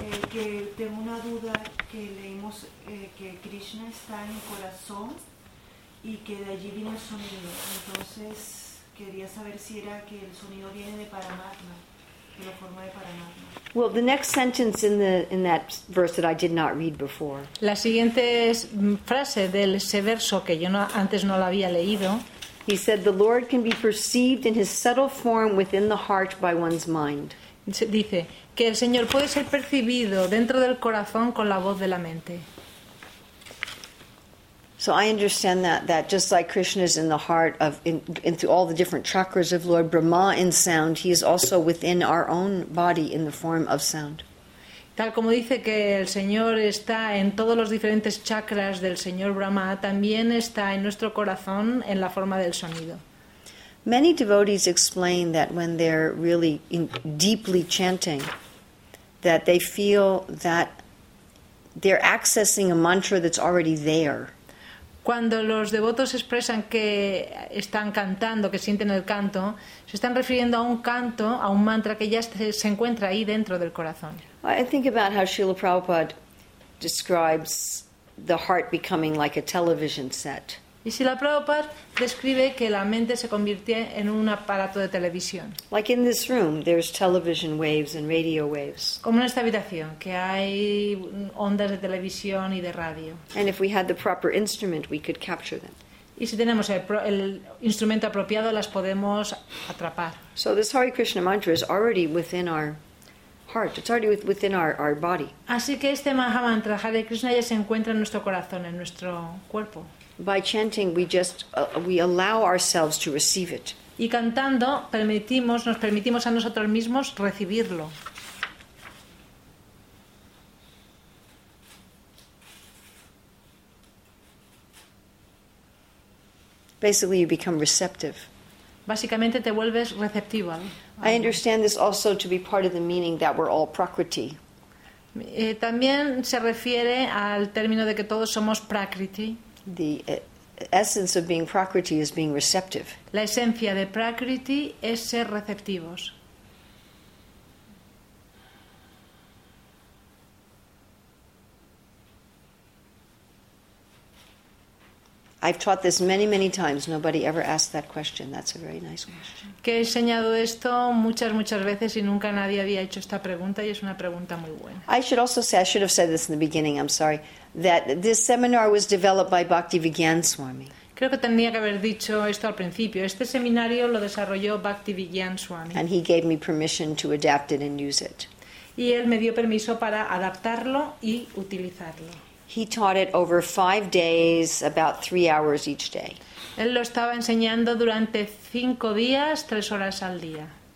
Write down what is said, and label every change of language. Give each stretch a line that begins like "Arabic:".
Spanish: Que tengo una duda que leímos que Krishna está en el corazón y que de allí viene el sonido. Entonces quería saber si era que el sonido viene de Paramatma, que lo forma de Paramatma.
English: Well, the next sentence in that verse that I did not read before.
Spanish: La siguiente frase de ese verso que yo no, antes no la había leído.
English: He said the Lord can be perceived in his subtle form within the heart by one's mind.
Spanish: Dice que el Señor puede ser percibido dentro del corazón con la voz de la mente.
English: So I understand that just like Krishna is in the heart of in through all the different chakras of Lord Brahma in sound, he is also within our own body in the form of sound.
Spanish: Tal como dice que el Señor está en todos los diferentes chakras del Señor Brahma, también está en nuestro corazón en la forma del sonido.
English: Many devotees explain that when they're really deeply chanting, that they feel that they're accessing a mantra that's already there.
Spanish: Cuando los devotos expresan que están cantando, que sienten el canto, se están refiriendo a un canto, a un mantra que ya se encuentra ahí dentro del corazón.
English: I think about how Srila Prabhupada describes the heart becoming like a television set.
Spanish: Y Srila Prabhupada describe que la mente se convierte en un aparato de televisión.
English: Like in this room, there's television waves and radio waves.
Spanish: Como en esta habitación, que hay ondas de televisión y de radio.
English: And if we had the proper instrument, we could capture them.
Spanish: Y si tenemos el instrumento apropiado, las podemos atrapar.
English: So this Hare Krishna mantra is already within our heart. It's already within our body.
Spanish: Así que este mantra Hare Krishna ya se encuentra en nuestro corazón, en nuestro cuerpo.
English: By chanting, we allow ourselves to receive it.
Spanish: Y cantando, nos permitimos a nosotros mismos recibirlo.
English: Basically, you become receptive.
Spanish: Básicamente, te vuelves receptivo.
English: I understand this also to be part of the meaning that we're all prakriti.
Spanish: También se refiere al término de que todos somos prakriti.
English: The essence of being prakriti is being receptive.
Spanish: La esencia de prakriti es ser receptivos.
English: I've taught this many, many times. Nobody ever asked that question. That's a very nice question.
Spanish: Que he enseñado esto muchas, muchas veces y nunca nadie había hecho esta pregunta y es una pregunta muy buena.
English: I should also say, I should have said this in the beginning, I'm sorry, that this seminar was developed by Bhakti Vigyan Swami.
Spanish: Creo que tendría que haber dicho esto al principio. Este seminario lo desarrolló Bhakti Vigyan Swami.
English: And he gave me permission to adapt it and use it.
Spanish: Y él me dio permiso para adaptarlo y utilizarlo.
English: He taught it over 5 days, about 3 hours each day.
Spanish: Él lo estaba enseñando durante 5 días, 3 horas al día.